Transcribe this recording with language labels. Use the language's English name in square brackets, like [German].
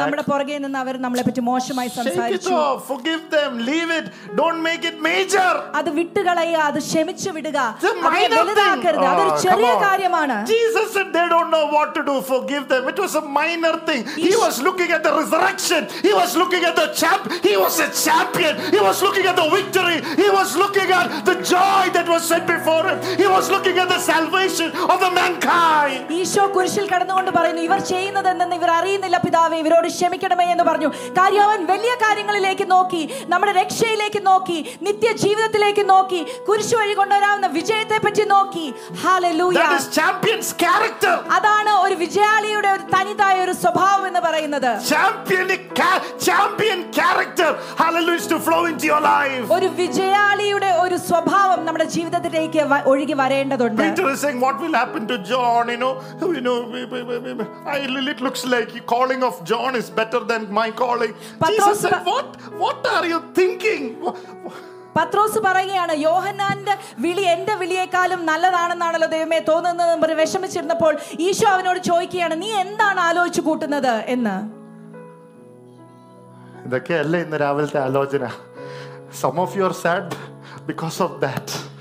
[Malayalam] നമ്മുടെ പുറകെ നിന്ന് അവർ നമ്മളെ പറ്റി മോശമായി സംസാരിച്ചു, [English] forgive them, leave it, don't make it major, [Malayalam] അത് വിട്ടുകളയുക, അത് ക്ഷമിച്ചു വിടുക, വലുതാക്കരുത്, അതൊരു ചെറിയ കാര്യമാണ്. [English] Jesus said they don't know what to do, forgive them, it was a minor thing. He was looking at the resurrection, he was looking at the champ, he was a champion, he was looking at the victory, he was looking at the joy that was set before him, he was looking at the salvation of the mankind. [Malayalam] Isho കുരിശിൽ കടന്നുകൊണ്ട് പറയുന്നു, ഇവർ ചെയ്യുന്നതെന്നെന്ന് ഇവർ അറിയുന്നില്ല പിതാവേ, ഇവരോട് ക്ഷമിക്കണമേ എന്ന് പറഞ്ഞു. കാര്യം അവൻ വലിയ കാര്യങ്ങളിലേക്ക് നോക്കി, നമ്മുടെ രക്ഷയിലേക്ക് നോക്കി, നിത്യജീവിതത്തിലേക്ക് നോക്കി, കുരിശ് വഴി കൊണ്ടുവരാവുന്ന വിജയത്തെ പറ്റി നോക്കി. Hallelujah, [English] that is champion's character. [Malayalam] അതാണ് ഒരു വിജയാളിയുടെ ഒരു തനിതായ ഒരു സ്വഭാവം എന്ന് പറയുന്നത്. [English] champion character, hallelujah, to flow into your life. [Malayalam] ഒരു വിജയാളിയുടെ ഒരു സ്വഭാവം നമ്മുടെ ജീവിതത്തിലേക്ക് ഒഴുകി വരേണ്ടതുണ്ട്. [English] Peter is saying, what will happen to John? You know, it looks like calling of John is better than my calling. Jesus said, what are you thinking? [Malayalam] പത്രോസ് പറയുകയാണ്, യോഹന്നാന്റെ വിളി എന്റെ വിളിയേക്കാളും നല്ലതാണെന്നാണല്ലോ ദൈവമേ തോന്നുന്നത്. വിഷമിച്ചിരുന്നപ്പോൾ ഈശോ അവനോട് ചോദിക്കുകയാണ്, നീ എന്താണ് ആലോചിച്ചു കൂട്ടുന്നത് എന്ന്. ഇതൊക്കെയല്ലേ ഇന്ന് രാവിലത്തെ ആലോചന? [English] Some of you are sad because of that.